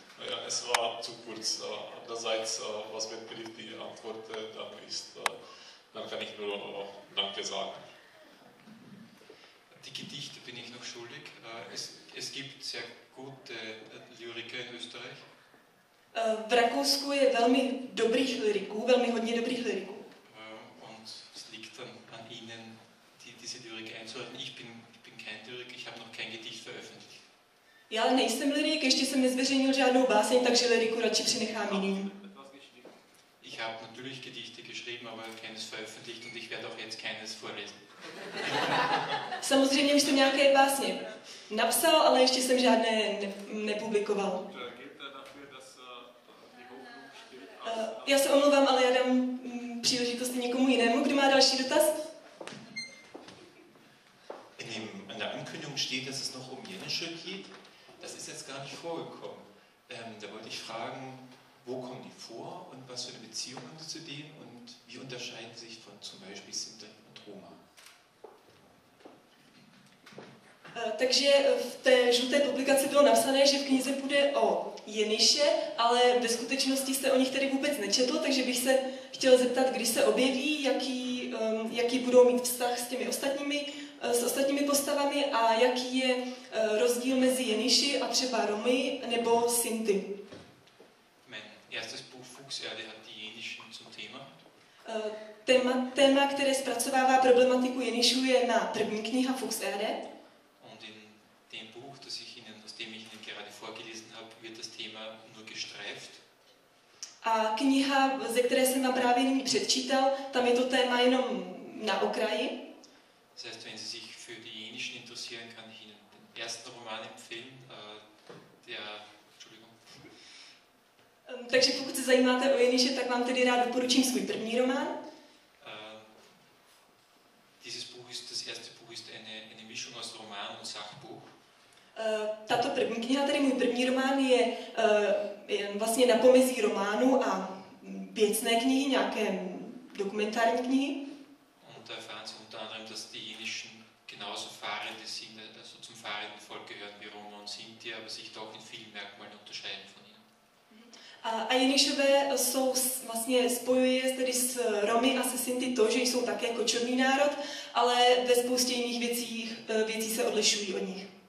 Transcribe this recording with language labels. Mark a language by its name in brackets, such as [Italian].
[German] Ja, es war zu kurz. Andererseits, was betrifft die Antwort, dann kann ich nur Danke sagen. Die Gedichte bin ich noch schuldig. Es gibt sehr gute Lyriker in Österreich. [Czech] V Rakousku je velmi dobrých lyriků, velmi hodně dobrých lyriků. [German] Und es liegt dann an Ihnen, diese Lyrik einzuordnen. Ich bin kein Lyrik, ich habe noch kein Gedicht veröffentlicht. [Czech] Já nejsem lyrik, ještě jsem nezveřejnil žádnou báseň, takže lyriku radši přinechám jiným. [German] Ich habe natürlich Gedichte geschrieben, aber keines veröffentlicht und ich werde auch jetzt keines vorlesen. [Czech] Samozřejmě už jsem nějaké básně napsal, ale ještě jsem žádné nepublikoval. Já se omlouvám, ale já dám příležitost někomu jinému, kdo má další dotaz. [German] In der Ankündigung steht, dass es noch um Jenische geht. Das ist jetzt gar nicht vorgekommen. Da wollte ich fragen, wo kommen die vor und was für eine Beziehung haben sie zu denen und wie unterscheiden sie sich von zum Beispiel Sinti und Roma? [Czech] Takže v té žluté publikaci bylo napsané, že v knize bude o Jeniše, ale ve skutečnosti jste o nich tady vůbec nečetl, takže bych se chtěl zeptat, kdy se objeví, jaký budou mít vztah s těmi ostatními, s ostatními postavami a jaký je rozdíl mezi Jeniši a třeba Romy nebo Sinti. [German] Erstes Buch Fuchserde hat die Jenischen zum Thema. [Czech] Téma, které zpracovává problematiku Jenischů, je na první kniha Fuchserde. [German] Und in dem Buch, das ich Ihnen, aus dem ich Ihnen gerade vorgelesen habe, wird das Thema nur gestreift. [Czech] A kniha, ze které jsem vám právě nyní předčítal, tam je to téma jenom na okraji. [German] Das heißt, wenn Sie sich für die Jenischen interessieren, kann ich Ihnen den ersten Roman empfehlen, der [Czech] Takže pokud se zajímáte o Jeniše, tak vám tedy rád doporučím svůj první román. [German] Dieses Buch ist das erste Buch ist eine Mischung aus Roman und Sachbuch. [Czech] Tato první kniha, tedy můj první román, je vlastně na pomezí románu a věcné knihy, nějaké dokumentární knihy. [German] Und da erfahren Sie unter anderem, dass die Jenischen genauso Fahrende sind, also zum fahrenden Volk gehören wie Roma und Sinti, aber sich doch in vielen Merkmalen unterscheiden von ihnen. [Czech] A Jenišové jsou vlastně spojuje tedy s Romy a se Sinti to, že jsou také kočovný národ, ale ve spoustě jiných věcí se odlišují od nich.